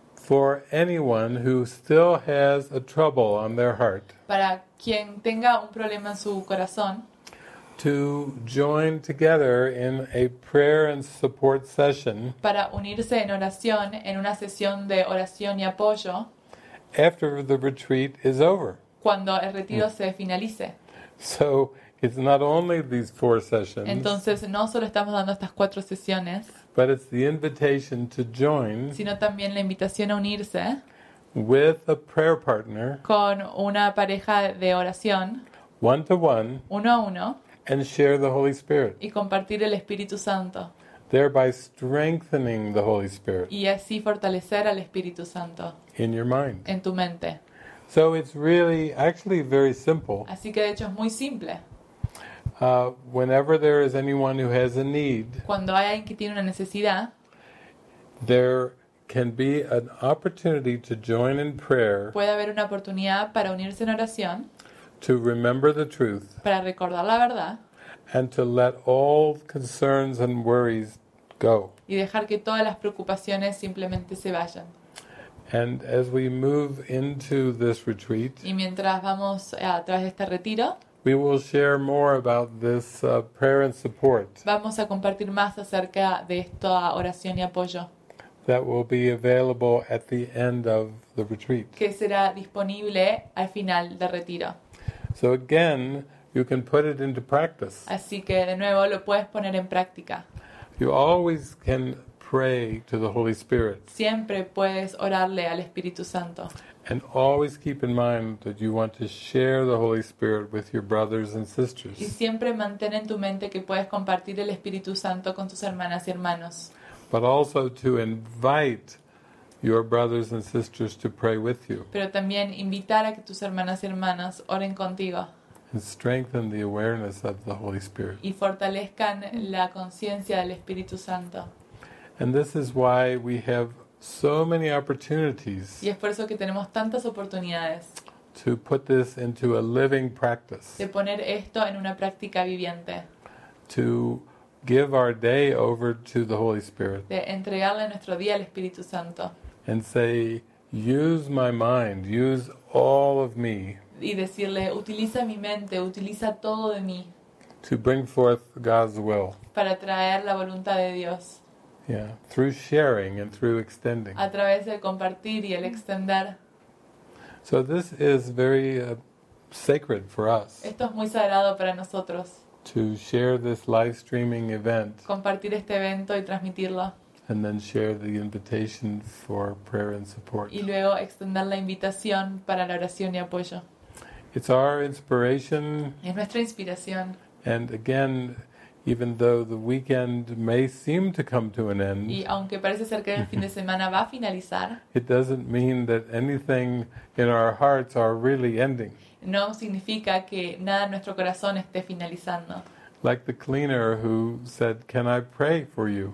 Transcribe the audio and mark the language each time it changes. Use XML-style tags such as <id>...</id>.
<en>for anyone who still has a trouble on their heart.</en> <es>Para quien tenga un problema en su corazón.</es> <en>To join together in a prayer and support session.</en> <es>Para unirse en oración en una sesión de oración y apoyo.</es> <en>After the retreat is over.</en> <es>Cuando el retiro se finalice.</es> <en>So it's not only these four sessions.</en> <es>Entonces no solo estamos dando estas cuatro sesiones.</es> <en>But it's the invitation to join.</en> <es>Sino también la invitación a unirse.</es> <en>With a prayer partner.</en> <es>Con una pareja de oración.</es> <en>One to one.</en> <es>Uno a uno.</es> <en>And share the Holy Spirit.</en> <es>Y compartir el Espíritu Santo.</es> <en>Thereby strengthening the Holy Spirit.</en> <es>Y así fortalecer al Espíritu Santo.</es> <en>In your mind.</en> <es>En tu mente.</es> <en>So it's really actually very simple.</en> <es>Así que de hecho es muy simple.</es> <en>Whenever there is anyone who has a need.</en> <es>Cuando hay alguien que tiene una necesidad.</es> <en>There can be an opportunity to join in prayer.</en> <es>Puede haber una oportunidad para unirse en oración.</es> <en>To remember the truth.</en> <es>Para recordar la verdad.</es> <en>And to let all concerns and worries go.</en> <es>Y dejar que todas las preocupaciones simplemente se vayan.</es> <en>And as we move into this retreat.</en> <es>Y mientras vamos a través de este retiro.</es> <en>We will share more about this prayer and support.</en> <es>Vamos a compartir más acerca de esta oración y apoyo.</es> <en>That will be available at the end of the retreat.</en> <es>Que será disponible al final del retiro.</es> <en>So again, you can put it into practice.</en> <es>Así que de nuevo lo puedes poner en práctica.</es> <en>You always can pray to the Holy Spirit.</en> <es>Siempre puedes orarle al Espíritu Santo.</es> <en>And always keep in mind that you want to share the Holy Spirit with your brothers and sisters.</en> <es>Y siempre mantén en tu mente que puedes compartir el Espíritu Santo con tus hermanas y hermanos.</es> <en>But also to invite your brothers and sisters to pray with you.</en> <es>Pero también invitar a que tus hermanas y hermanos oren contigo.</es> <en>And strengthen the awareness of the Holy Spirit.</en> <es>Y fortalezcan la conciencia del Espíritu Santo.</es> <en>And this is why we have so many opportunities.</en> <es>Y es por eso que tenemos tantas oportunidades.</es> <en>To put this into a living practice.</en> <es>De poner esto en una práctica viviente.</es> <en>To give our day over to the Holy Spirit.</en> <es>De entregarle nuestro día al Espíritu Santo.</es> <en>And say, use my mind, use all of me.</en> <es>Y decirle, utiliza mi mente, utiliza todo de mí.</es> <en>To bring forth God's will.</en> <es>Para traer la voluntad de Dios.</es> <en>Yeah, through sharing and through extending.</en> <es>A través de compartir y el extender.</es> <en>So this is very sacred for us.</en> <es>Esto es muy sagrado para nosotros.</es> <en>To share this live streaming event.</en> <es>Compartir este evento y transmitirlo.</es> <en>And then share the invitation for prayer and support.</en> <es>Y luego extender la invitación para la oración y apoyo.</es> <en>It's our inspiration.</en> <es>Es nuestra inspiración.</es> <en>And again, even though the weekend may seem to come to an end.</en> <es>Y aunque parece ser que el fin de semana va a finalizar.</es> <en>It doesn't mean that anything in our hearts are really ending.</en> <es>No significa que nada en nuestro corazón esté finalizando.</es> <en>Like the cleaner who said, "Can I pray for you?"</en>